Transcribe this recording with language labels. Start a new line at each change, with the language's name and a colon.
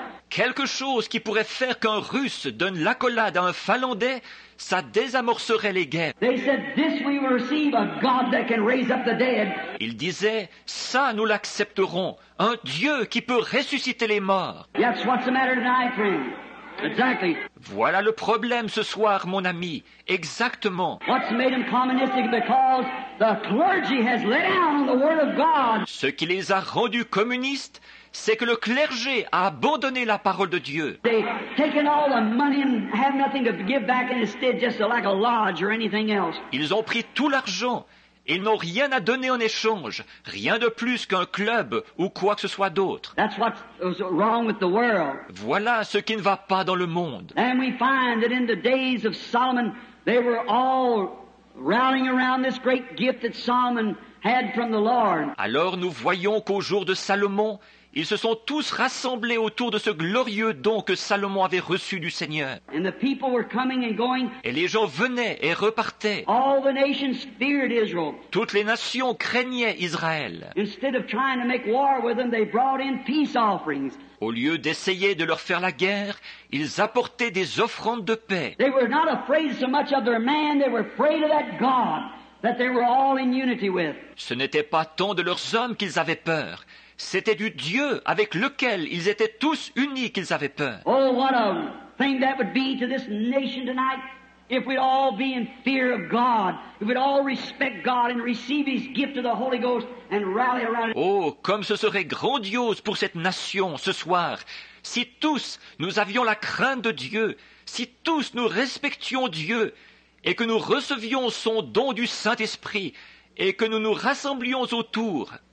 French: quelque chose qui pourrait faire qu'un Russe donne l'accolade à un Finlandais, ça désamorcerait les guerres.
English: They said, this we will receive, a God that can raise up the dead.
French: Ils disaient, ça nous l'accepterons, un Dieu qui peut ressusciter les morts.
English: That's what's the matter tonight, friend. Exactly.
French: Voilà le problème ce soir, mon ami. Exactement.
English: What's made them communistic because the clergy has let down on the word of God.
French: Ce qui les a rendus communistes, c'est que le clergé a abandonné la parole de Dieu.
English: They've taken all the money and have nothing to give back and instead just like a lodge or anything else.
French: Ils ont pris tout l'argent. Ils n'ont rien à donner en échange, rien de plus qu'un club ou quoi que ce soit d'autre.
English: That's what was wrong with the world.
French: Voilà ce qui ne va pas dans le monde.
English: And we find that in the days of Solomon, they were all rallying around this great gift that Solomon had from the Lord.
French: Alors nous voyons qu'au jour de Salomon, ils se sont tous rassemblés autour de ce glorieux don que Salomon avait reçu du Seigneur.
English: And the people were coming and going.
French: Et les gens venaient et repartaient.
English: All the nations feared Israel.
French: Toutes les nations craignaient Israël.
English: Instead of trying to make war with them, they brought in peace offerings.
French: Au lieu d'essayer de leur faire la guerre, ils apportaient des offrandes de paix.
English: They were not afraid so much of their man, they were afraid of that God that they were all in unity with.
French: Ce n'était pas tant de leurs hommes qu'ils avaient peur. C'était du Dieu avec lequel ils étaient tous unis qu'ils avaient peur.
English: Oh, what a thing that would be to this nation tonight if we'd all be in fear of God, if we'd all respect God and receive His gift of the Holy Ghost and rally around it.
French: Oh, comme ce serait grandiose pour cette nation ce soir si tous nous avions la crainte de Dieu, si tous nous respections Dieu et que nous recevions son don du Saint-Esprit et que nous nous rassemblions autour.